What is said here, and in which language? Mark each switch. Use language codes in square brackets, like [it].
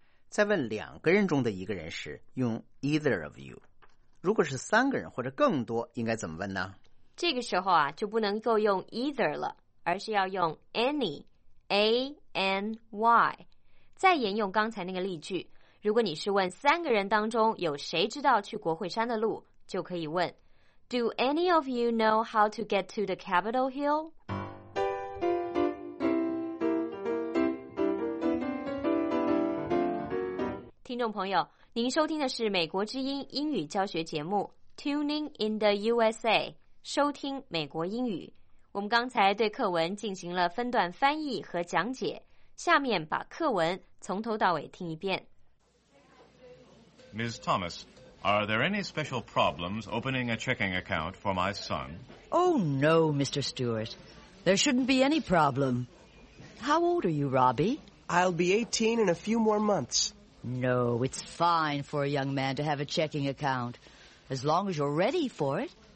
[zh] 在问两个人中的一个人时用 [en] either of you， [zh] 如果是三个人或者更多应该怎么问呢？这个时候啊，就不能够用 either 了，而是要用 any， A-N-Y。再沿用刚才那个例句，如果你是问三个人当中有谁知道去国会山的路，就可以问 [en] Do any of you know how to get to the Capitol Hill? [zh] 您收听的是美国之音英语教学节目 Tuning in the USA， 收听美国英语。我们刚才对课文进行了分段翻译和讲解，下面把课文从头到尾听一遍。 [en] Ms. Thomas, are there any special problems opening a checking account for my son? Oh no, Mr. Stewart. There shouldn't be any problem. How old are you, Robbie? I'll be 18 in a few more months. No, it's fine for a young man to have a checking account, as long as you're ready for it.